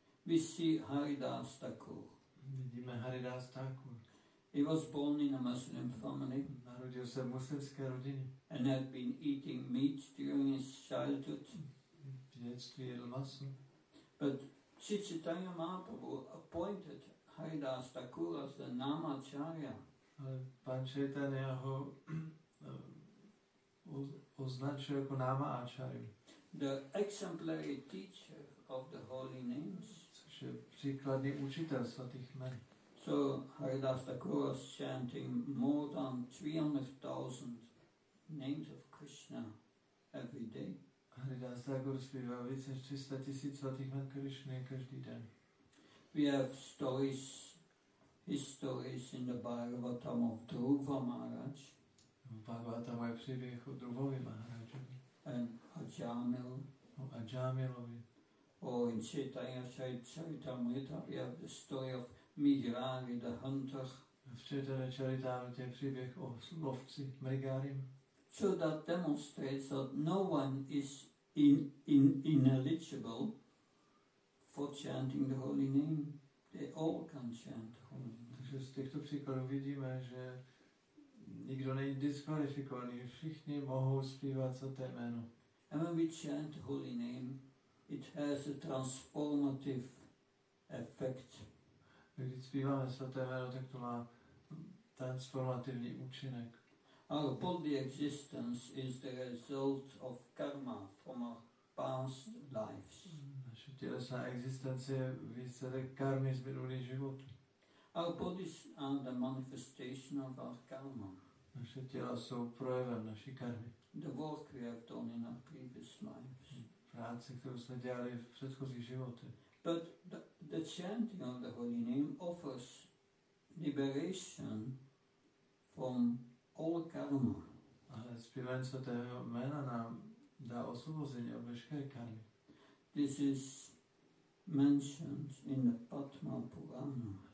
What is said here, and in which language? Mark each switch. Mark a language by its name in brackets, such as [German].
[English] We see Haridas Thakur. [Czech] Vidíme Haridas Thakur. [English] He was born in a Muslim family. [Czech] Narodil se v muslimské rodině. [English] And had been eating meat during his childhood. [Czech] V dětství jedl maso. [English] But Sri Chaitanya Mahaprabhu appointed Haridas Thakur as the Namacharya. [Czech] Pan Chaitanya ho označuje jako Náma Ačarya. [English] The exemplary teacher of the holy names. [Czech] Což je příkladný učitel svatých jmen. [English] So Haridas Thakur was chanting more than 300,000 names of Krishna every day. [Czech] Haridas Thakur zpívá více než 300 tisíc svatých jmen Krishny každý den. [English] We have stories, his stories in the Bhagavatam of Dhruva Maharaj. [Czech] Bhagavatam je příběh o Dhruvovi Maharajovi. [English] And Ajamil. [Czech] O Ajamilovi. [English] Or in Chaitanya Charitamrita, we have the story of Mihrari the Hunter. [Czech] V Chaitanya Charitamrita je příběh o lovci Mrigarim. [English] So that demonstrates that no one is ineligible for chanting the holy name. They all can chant the holy name. [Czech] Takže z těchto příkladů vidíme, že nikdo není diskvalifikovaný, všichni mohou zpívat svaté jméno. [English] And when we chant holy name, it has a transformative effect. [Czech] Když zpíváme svaté jméno, tak to má transformativní účinek. [English] Our bodily existence is the result of karma from our past lives. [Czech] Naše tělesná existence je výsledek karmy z minulých životů. [English] Our bodies are the manifestation of our karma. [Czech] Naše těla jsou projevem naší karmy. [English] The work we have done in our previous lives. [Czech] Práce, kterou jsme dělali v předchozích životech. [English] But the chanting of the holy name offers liberation from all karma. [Czech] Ale zpívání svatého jména nám dá osvobození od veškeré karmy. [English] This is mentioned in the Padma Purana.